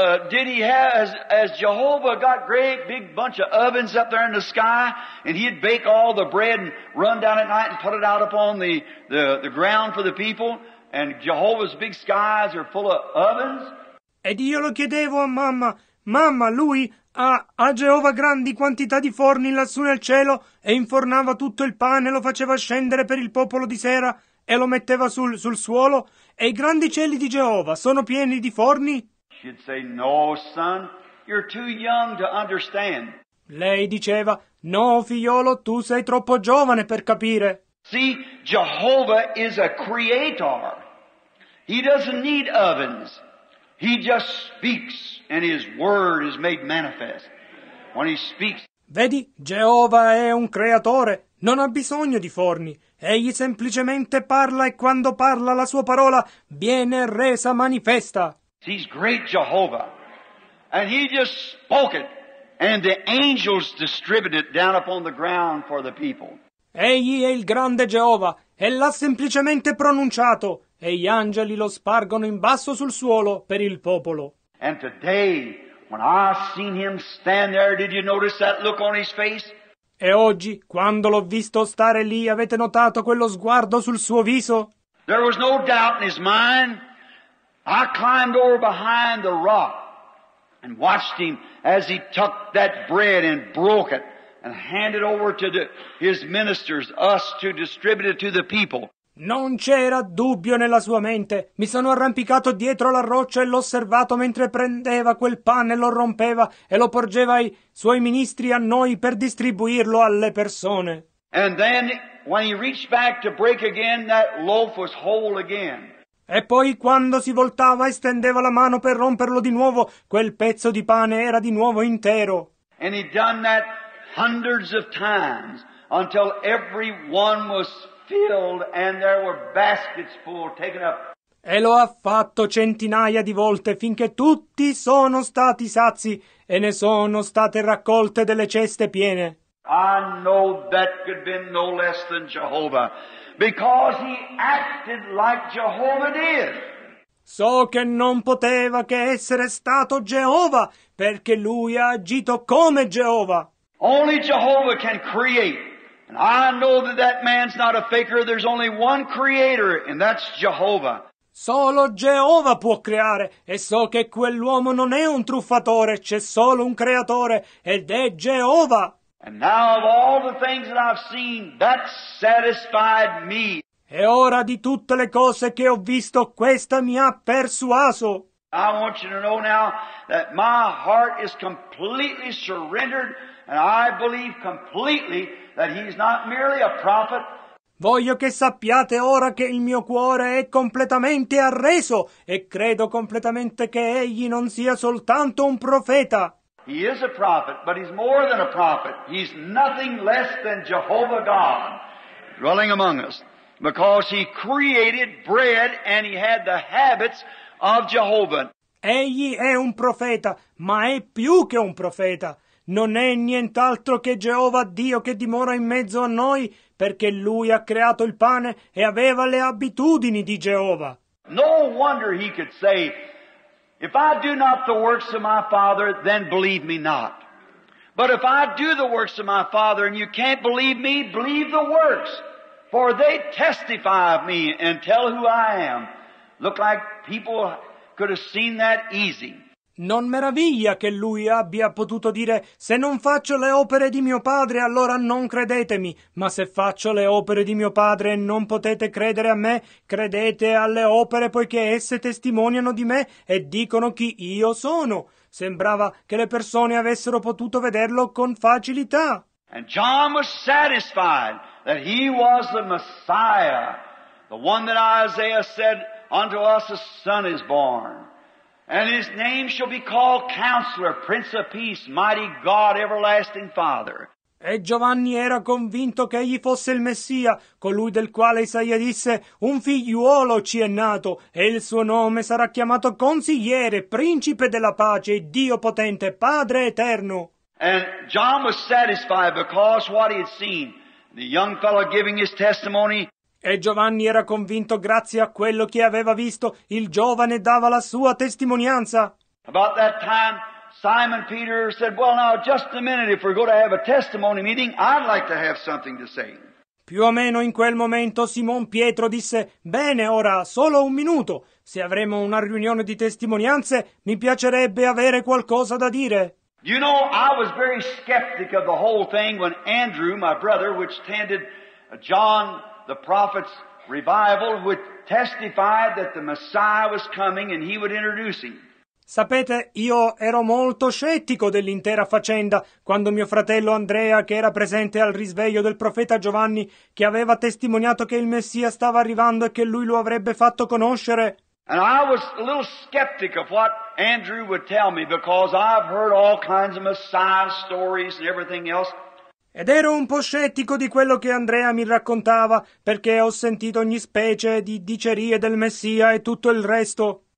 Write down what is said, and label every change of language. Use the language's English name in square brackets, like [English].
[English] did he have, as Jehovah got great big bunch of ovens up there in the sky, and he'd bake all the bread and run down at night and put it out upon the ground for the people, and Jehovah's big skies are full of ovens? [Italian] Ed io lo chiedevo a mamma, mamma, lui ha Geova grandi quantità di forni lassù nel cielo e infornava tutto il pane, lo faceva scendere per il popolo di sera e lo metteva sul suolo. E i grandi cieli di Geova sono pieni di forni? [English] She'd say, no, son, you're too young to understand. [Italian] Lei diceva, no, figliolo, tu sei troppo giovane per capire. [English] See, Jehovah is a creator. He doesn't need ovens. He just speaks, and his word is made manifest when he speaks. [Italian] Vedi, Geova è un creatore, non ha bisogno di forni. Egli semplicemente parla, e quando parla la sua parola viene resa manifesta. [English] He's great Jehovah, and he just spoke it, and the angels distributed it down upon the ground for the people. [Italian] Egli è il grande Geova, e l'ha semplicemente pronunciato, e gli angeli lo spargono in basso sul suolo per il popolo. [English] And today, when I seen him stand there, did you notice that look on his face? [Italian] E oggi, quando l'ho visto stare lì, avete notato quello sguardo sul suo viso? [English] There was no doubt in his mind. I climbed over behind the rock and watched him as he tucked that bread and broke it and handed over to his ministers, us, to distribute it to the people. [Italian] Non c'era dubbio nella sua mente. Mi sono arrampicato dietro la roccia e l'ho osservato mentre prendeva quel pane, lo rompeva e lo porgeva ai suoi ministri, a noi, per distribuirlo alle persone. [English] And then, when he reached back to break again, that loaf was whole again. [Italian] E poi, quando si voltava e stendeva la mano per romperlo di nuovo, quel pezzo di pane era di nuovo intero. [English] And he'd done that hundreds of times until everyone was filled and there were baskets full taken up. [Italian] E lo ha fatto centinaia di volte finché tutti sono stati sazi e ne sono state raccolte delle ceste piene. [English] I know that could be no less than Jehovah, because he acted like Jehovah did. [Italian] So che non poteva che essere stato Geova, perché lui ha agito come Geova. [English] Only Jehovah can create. And I know that that man's not a faker. There's only one creator, and that's Jehovah. [Italian] Solo Geova può creare, e so che quell'uomo non è un truffatore, c'è solo un creatore, ed è Geova. [English] And now of all the things that I've seen, that satisfied me. [Italian] E ora di tutte le cose che ho visto, questa mi ha persuaso. [English] I want you to know now that my heart is completely surrendered, and I believe completely that he's not merely a prophet. [Italian] Voglio che sappiate ora che il mio cuore è completamente arreso, e credo completamente che egli non sia soltanto un profeta. [English] He is a prophet, but he's more than a prophet. He's nothing less than Jehovah God dwelling among us, because he created bread and he had the habits of Jehovah. [Italian] Egli è un profeta, ma è più che un profeta. Non è nient'altro che Geova Dio che dimora in mezzo a noi, perché lui ha creato il pane e aveva le abitudini di Geova. [English] No wonder he could say, if I do not the works of my Father, then believe me not. But if I do the works of my Father and you can't believe me, believe the works, for they testify of me and tell who I am. Look like people could have seen that easy. [Italian] Non meraviglia che lui abbia potuto dire, se non faccio le opere di mio padre, allora non credetemi, ma se faccio le opere di mio padre e non potete credere a me, credete alle opere, poiché esse testimoniano di me e dicono chi io sono. Sembrava che le persone avessero potuto vederlo con facilità. [English] And John was satisfied that he was the Messiah, the one that Isaiah said, unto us a son is born. And his name shall be called Counselor, Prince of Peace, Mighty God, Everlasting Father. [Italian] E Giovanni era convinto che egli fosse il Messia, colui del quale Isaia disse, un figliuolo ci è nato, e il suo nome sarà chiamato Consigliere, Principe della Pace, Dio Potente, Padre Eterno. [English] And John was satisfied because what he had seen, the young fellow giving his testimony. [Italian] E Giovanni era convinto grazie a quello che aveva visto, il giovane dava la sua testimonianza. [English] About that time, Simon Peter said, "Well, now, just a minute, if we're going to have a testimony meeting, I'd like to have something to say." [Italian] Più o meno in quel momento Simon Pietro disse: "Bene, ora solo un minuto. Se avremo una riunione di testimonianze, mi piacerebbe avere qualcosa da dire." [English] You know, I was very skeptic of the whole thing when Andrew, my brother, which attended John the prophet's revival, would testify that the Messiah was coming and he would introduce him. [Italian] Sapete, io ero molto scettico dell'intera faccenda quando mio fratello Andrea, che era presente al risveglio del profeta Giovanni, che aveva testimoniato che il Messia stava arrivando e che lui lo avrebbe fatto conoscere. [English] And I was a little skeptic of what Andrew would tell me because I've heard all kinds of Messiah stories and everything else. [Italian] Ed ero un po' scettico di quello che Andrea mi raccontava perché ho sentito ogni specie di dicerie del Messia e tutto il resto.